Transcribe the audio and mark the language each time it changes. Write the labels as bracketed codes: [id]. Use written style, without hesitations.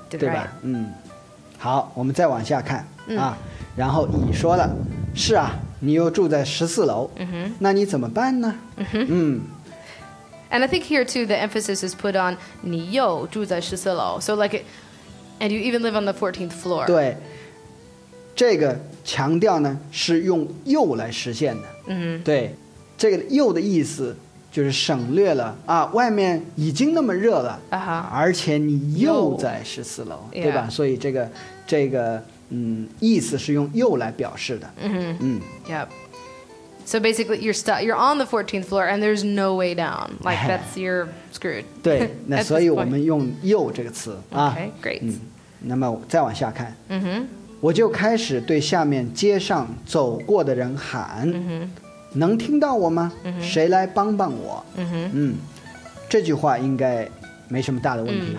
[zh] 对吧、好我们再往下看、然后乙说了是啊你又住在十四楼、那你怎么办呢、 [en] And I think here, too, the emphasis is put on [zh] 你又住在十四楼 [en] So like, and you even live on the 14th floor [zh] 对这个强调呢是用又来实现的、对这个又的意思就是省略了啊，外面已经那么热了、而且你又在十四楼对吧、所以这个意思是用又来表示的 [en] Yep So basically, you're stuck. You're on the 14th floor, and there's no way down. Like that's you're screwed. [zh] 对，那所以我们用又这个词啊。 [en] Okay, great.、 [zh] 那么再往下看。我就开始对下面街上走过的人喊。能听到我吗？谁来帮帮我？这句话应该没什么大的问题。